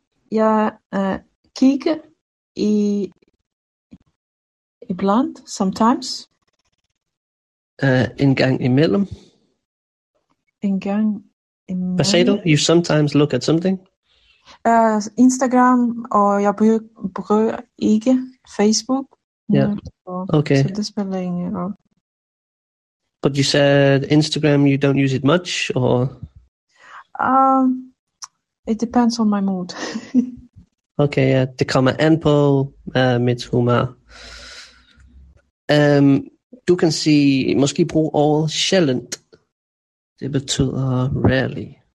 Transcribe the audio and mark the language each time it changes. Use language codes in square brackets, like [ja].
[da] Jeg kigger iblant, [en] sometimes. [da] En gang imellem. En gang imellem. Hvad sagde du? [en] You sometimes look at something? [da] Instagram, og jeg bruger ikke Facebook. [en] Yeah. Okay. [da] Så det spiller ingen roll. [en] But you said Instagram, you don't use it much, or? It depends on my mood. [da] Okay, ja, det kommer an på mit humør. Du kan sige, måske bruge ordet sjældent. Det betyder rarely.